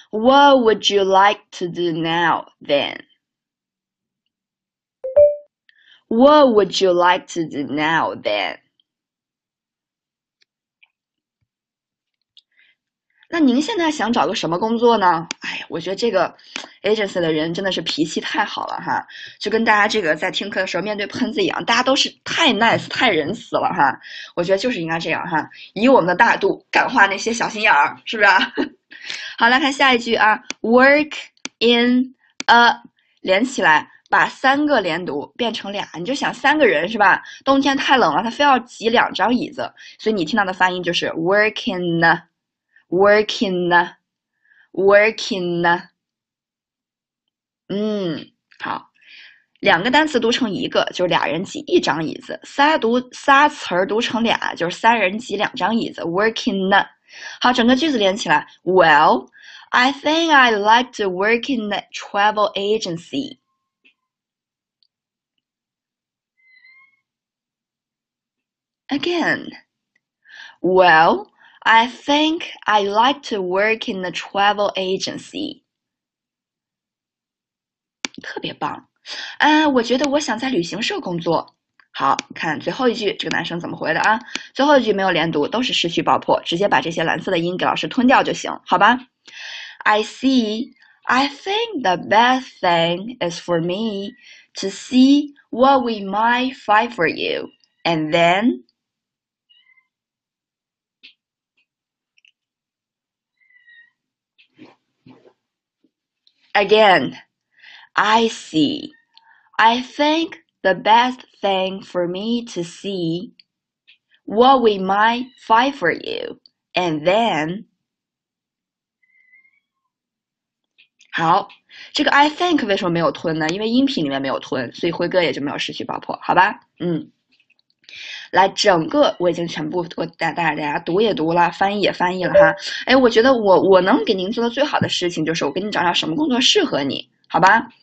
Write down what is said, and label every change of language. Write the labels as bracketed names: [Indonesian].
[English] What would you like to do now, then? What would you like to do now, then? [Chinese] 那您现在想找个什么工作呢？哎，我觉得这个 agency 的人真的是脾气太好了哈，就跟大家这个在听课的时候面对喷子一样，大家都是太 nice 太仁慈了哈。我觉得就是应该这样哈，以我们的大度感化那些小心眼儿，是不是？好，来看下一句啊 ， [English] work in a [Chinese] 连起来，把三个连读变成俩，你就想三个人是吧？冬天太冷了，他非要挤两张椅子，所以你听到的发音就是 [English] work in a work in a [Chinese] work in a。嗯，好，两个单词读成一个就是俩人挤一张椅子，仨词儿读成俩就是三人挤两张椅子 ， [English] work in a。 [Chinese] 好，整个句子连起来。 [English] Well, I think I'd like to work in the travel agency. Again. Well, I think I'd like to work in the travel agency. [Chinese] 特别棒。我觉得我想在旅行社工作。好，看最后一句，这个男生怎么回的啊？最后一句没有连读，都是失去爆破，直接把这些蓝色的音给老师吞掉就行，好吧 ？ [English] I see. I think the best thing is for me to see what we might find for you, and then. Again, I see. I think. The best thing for me to see what we might find for you, and then. [Chinese] 好，这个 I think 为什么没有吞呢？因为音频里面没有吞，所以辉哥也就没有失去爆破，好吧？嗯，来，整个我已经全部我大家读也读了，翻译也翻译了哈。哎，我觉得我能给您做的最好的事情就是我给你找找什么工作适合你，好吧？